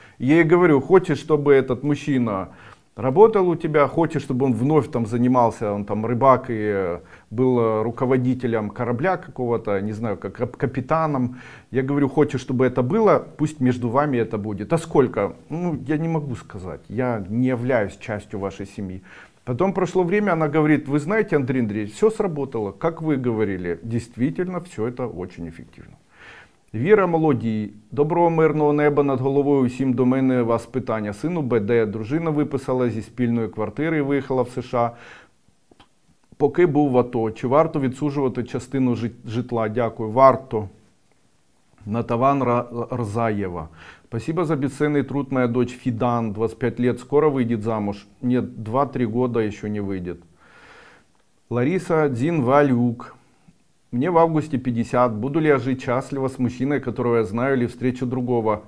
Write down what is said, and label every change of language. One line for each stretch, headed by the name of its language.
Russian: Я ей говорю: хочешь, чтобы этот мужчина работал у тебя, хочешь, чтобы он вновь там занимался, он там рыбак и был руководителем корабля какого-то, не знаю, как капитаном. Я говорю: хочешь, чтобы это было, пусть между вами это будет. А сколько? Ну, я не могу сказать, я не являюсь частью вашей семьи. Потом прошло время, она говорит: вы знаете, Андрей Андреевич, все сработало, как вы говорили, действительно, все это очень эффективно.
Ukrainian: Віра Молодій, доброго мирного неба над головою усім, до мене вас питання. Сину БД, дружина виписала зі спільної квартири і виїхала в США, поки був в АТО. Чи варто відсуджувати частину житла? Дякую. Варто. Натаван Рзаєва.
Russian: Спасибо за бесценный труд, моя дочь Фідан, 25 лет, скоро выйдет замуж? Нет, 2-3 года еще не выйдет. Лариса Дзінвалюк. Мне в августе 50. Буду ли я жить счастливо с мужчиной, которого я знаю, или встречу другого?